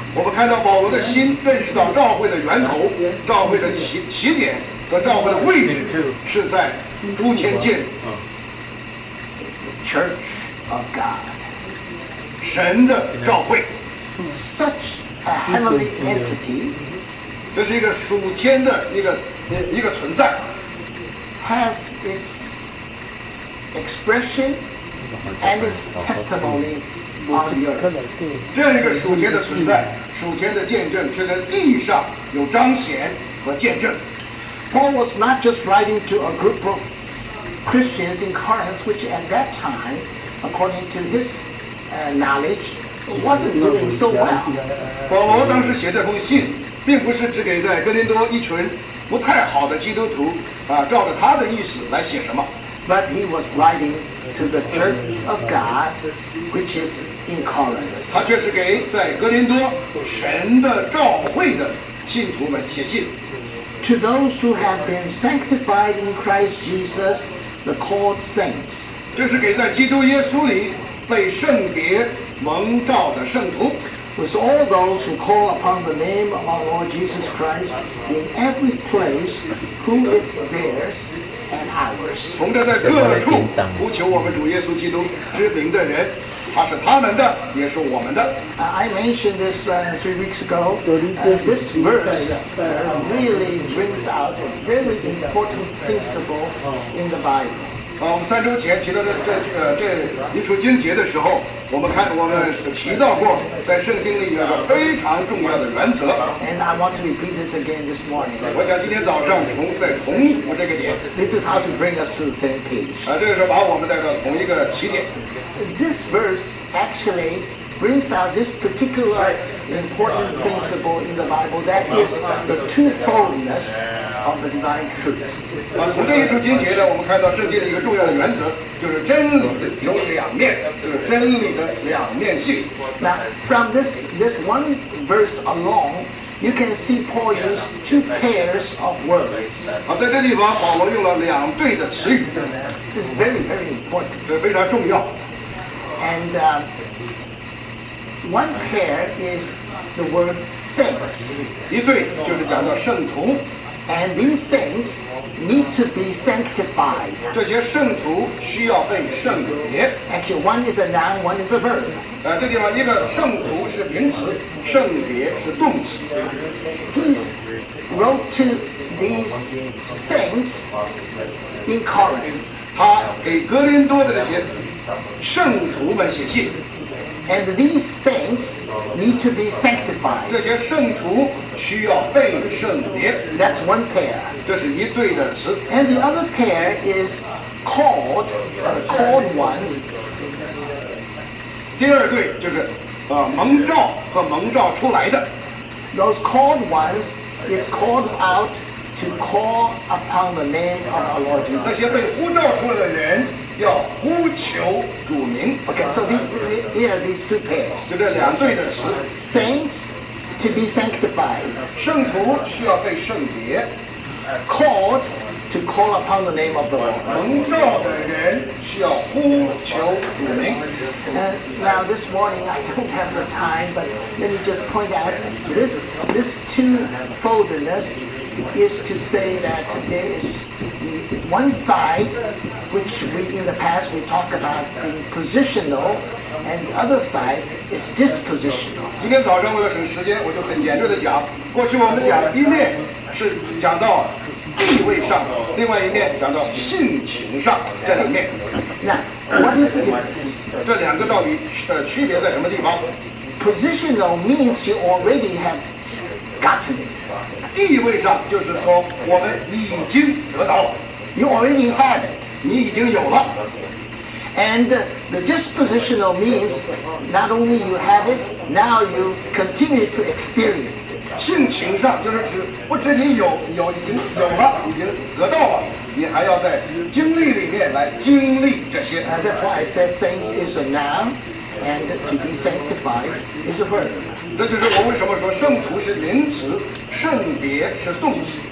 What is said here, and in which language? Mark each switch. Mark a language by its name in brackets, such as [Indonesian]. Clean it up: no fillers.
[Chinese] 我们看到保罗的心认识到召会的源头、召会的起点和召会的位置是在诸天界。 [English] The Church of God. [Chinese] 神的召会。 [English] Such a heavenly entity, [Chinese] 这是一个属天的一个存在 [English] has its expression and its testimony on the earth. [Chinese] 这样一个属天的存在，属天的见证却在地上有彰显和见证。 [English] Paul was not just writing to a group of Christians in Corinth, which at that time, according to his knowledge. Wasn't doing so well. [Chinese] 保罗当时写这封信，并不是只给在哥林多一群不太好的基督徒照着他的意思来写什么。 [English] But he was writing to the Church of God, which is in Corinth. [Chinese] 他却是给在哥林多神的召会的信徒们写信。 [English] To those who have been sanctified in Christ Jesus, the called saints. [Chinese] 这是给在基督耶稣里被圣别。蒙召的圣徒 [English] was all those who call upon the name of our Lord Jesus Christ in every place who is theirs and ours. [Chinese] 从这在各处呼求我们主耶稣基督之名的人，他是他们的，也是我们的。 [English] I mentioned this 3 weeks ago. This verse really brings out a very important principle in the Bible. [Chinese] 啊，我们三周前提到的这一处经节的时候，我们提到过在圣经里有个非常重要的原则。 [English] And I want to repeat this again this morning. [Chinese] 我想今天早上重复这个点。 [English] This is how to bring us to the same page. [Chinese] 啊，这个是把我们带到同一个起点。 [English] This verse actually brings out this particular important principle in the Bible, that is the twofoldness of the divine truth. [Chinese] 啊，从这一处经节呢，我们看到圣经的一个重要的原则，就是真理有两面，就是真理的两面性。 [English] Now, from this one verse alone, you can see Paul used two pairs of words. [Chinese] 啊，在这地方，保罗用了两对的词语。 [English] This is very, very important. [Chinese] 对，非常重要。 [English] And one pair is the word saints. [Chinese] 一对就是讲到圣徒。 [English] And these saints need to be sanctified. [Chinese] 这些圣徒需要被圣洁。 [English] Actually, one is a noun, one is a verb. [Chinese] 这地方一个圣徒是名词，圣洁是动词。 [English] He wrote to these saints in Corinth. [Chinese] 他给哥林多的那些圣徒们写信。 [English] And these saints need to be sanctified. [Chinese] 这些圣徒需要被圣洁。 [English] That's one pair. [Chinese] 这是一对的词。 [English] And the other pair is called, called ones. [Chinese] 第二对就是蒙召和蒙召出来的。 [English] Those called ones is called out to call upon the name of our Lord Jesus. [Chinese] 这些被呼召出来的人要呼求主名。 [English] Okay, so here are these two pairs. [Chinese] 就这两对的词。 [English] Saints to be sanctified. [Chinese] 圣徒需要被圣洁。 [English] Called to call upon the name of the Lord. [Chinese] 蒙召的人需要呼求主名。 [English] Now this morning I don't have the time, but let me just point out this twofoldness is to say that there is one side, which we in the past we talked about being positional, and the other side is dispositional. [Chinese] 今天早上我有省时间，我就很简略的讲。过去我们讲一面是讲到地位上，另外一面讲到性情上，这两面。 [English] Now, what is it? [Chinese] 这两个到底区别在什么地方 [English] ？Positional means you already have gotten it. [Chinese] 地位上就是说我们已经得到了。 [English] You already had it. [Chinese] 你已经有了。 [English] And the dispositional means not only you have it, now you continue to experience it. [Chinese] 性情上就是指不止你已经有了，已经得到了，你还要在经历里面来经历这些。 [English] That's why I said saints is a noun, and to be sanctified is a verb. [Chinese] 这就是我为什么说圣徒是名词，圣别是动词。